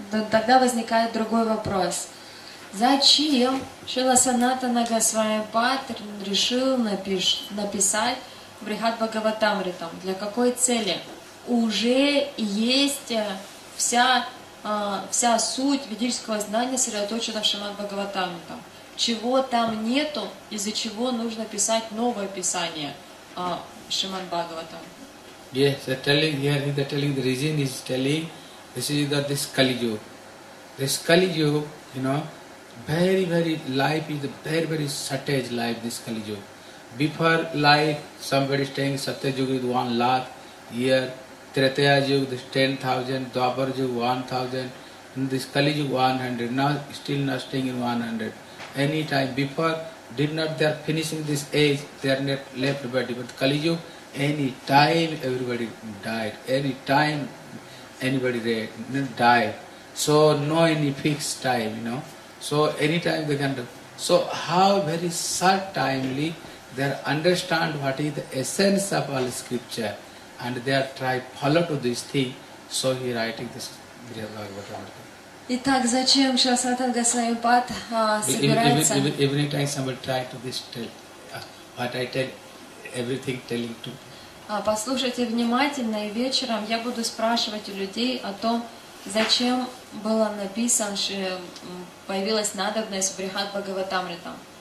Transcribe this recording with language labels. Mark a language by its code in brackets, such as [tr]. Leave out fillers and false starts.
[ru] Тогда возникает другой вопрос. Зачем Шрила Санатана Госвами Пад решил написать Брихат Бхагаватамритам? Для какой цели? Уже есть вся суть ведического знания сосредоточена в Шримад Бхагаватамритам. Чего там нету, из-за чего нужно писать новое писание Шримад Бхагаватам? [en] Yes, they're telling here, they're telling the reason is telling this is that this Kali Yuga. This Kali Yuga, you know, very, very life is a very, very savage life, this Kali Yuga. Before life, somebody staying Satya Yuga with 1 lakh, here Tretaya Yuga is 10,000, Dwapara Yuga 1,000, in this Kali Yuga 100, now still not staying in 100. Any time before, did not they are finishing this age, they are not left body. But Kali Yuga, any time everybody died, any time anybody died. So no any fixed time, you know. So anytime they can do. So how very short timely they understand what is the essence of all scripture and they are try follow to this thing. So he writing this Brihat Bhagavatamrita. [ru] Итак, зачем Шрила Санатана Госвами Пад собирается? [en] Every time somebody try to this tell, what I tell, everything telling to. [ru] Послушайте внимательно, и вечером я буду спрашивать у людей о том, зачем было написано, что появилась надобность в Брихат Бхагаватамрита.